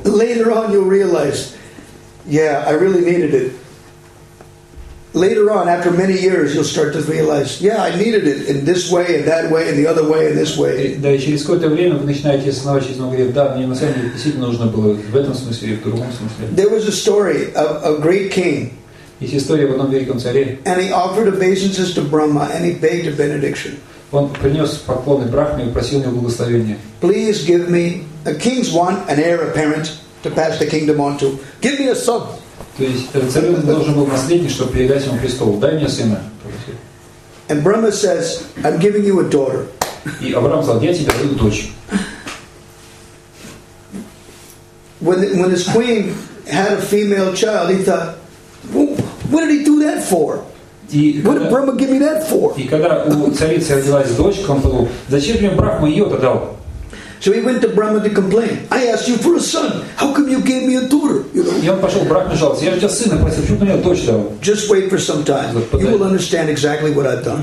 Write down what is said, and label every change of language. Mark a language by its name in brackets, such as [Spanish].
[English] Later on you'll realize, yeah, I really needed it. Later on, after many years, you'll start to realize, yeah, I needed it in this way, in that way, in the other way, in this way. [Russian] Да, и через какое-то время вы начинаете снова через много лет, да, мне на самом деле действительно нужно было в этом смысле и в другом смысле. [English] There was a story of a great king. [Russian] Есть история об одном великом царе. [English] And he offered obeisances to Brahma, and he begged a benediction. [Russian] Он принес поклоны Брахме и просил у него благословения. [English] Please give me, the kings want an heir apparent to pass the kingdom on to. Give me a son. [Russian] То есть царь должен был наследник, чтобы передать ему престол. Дай мне сына. [English] And Brahma says, I'm giving you a daughter. [Russian] И Авраам сказал, я тебе даю дочь. [English] When his queen had a female child, he thought, what did he do that for? What did Brahma give me that for? [Russian] И когда у царицы родилась дочь, он подумал, зачем мне Брахма ее-то дал? [English] So he went to Brahma to complain. I asked you for a son. How come you gave me a daughter? You know? [Russian] И он пошел к Брахме жаловаться. Я же тебя сына просил, почему ты мне дочь дал? [English] Just wait for some time. You will understand exactly what I've done.